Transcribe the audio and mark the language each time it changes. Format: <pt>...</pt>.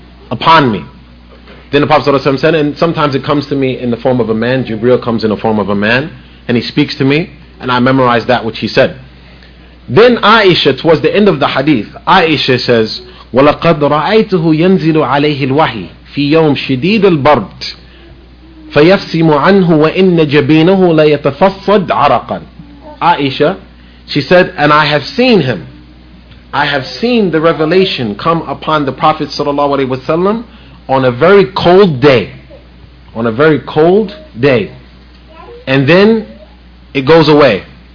<en>upon me. Then the Prophet ﷺ said, and sometimes it comes to me in the form of a man. Jibreel comes in the form of a man, and he speaks to me, and I memorize that which he said. Then Aisha, towards the end of the hadith, Aisha says,</en> <ar>وَلَقَدْ رَأَيْتُهُ يَنْزِلُ عَلَيْهِ الْوَحِي فِي يَوْمْ شِدِيدِ الْبَرْدِ فَيَفْسِمُ عَنْهُ وَإِنَّ جَبِينَهُ لَيَتَفَصَّدْ عَرَقًا.</ar> <en>Aisha, she said, and I have seen him. I have seen the revelation come upon the Prophet sallallahu alaihi wasallam on a very cold day. On a very cold day. And then it goes away.</en>